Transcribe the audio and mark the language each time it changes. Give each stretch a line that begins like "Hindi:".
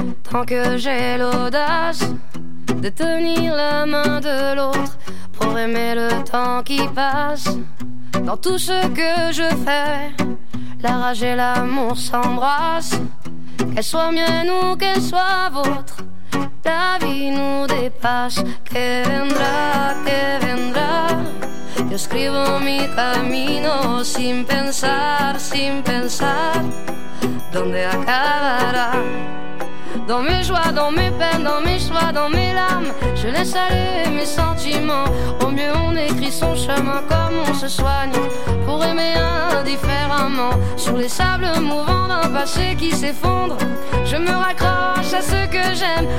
French: Tant que j'ai l'audace de tenir la main de l'autre pour aimer le temps qui passe. Dans tout ce que je fais, la rage et l'amour s'embrassent. Qu'elle soit mienne ou qu'elle soit vôtre, la vie nous dépasse.
Spanish: Que vendrá, que vendrá. Yo escribo mi camino sin pensar, sin pensar. ¿Dónde acabará?
French: Dans mes joies, dans mes peines, dans mes choix, dans mes larmes, je laisse aller mes sentiments. Au mieux on écrit son chemin comme on se soigne pour aimer indifféremment. Sur les sables mouvants d'un passé qui s'effondre, je me raccroche à ce que j'aime.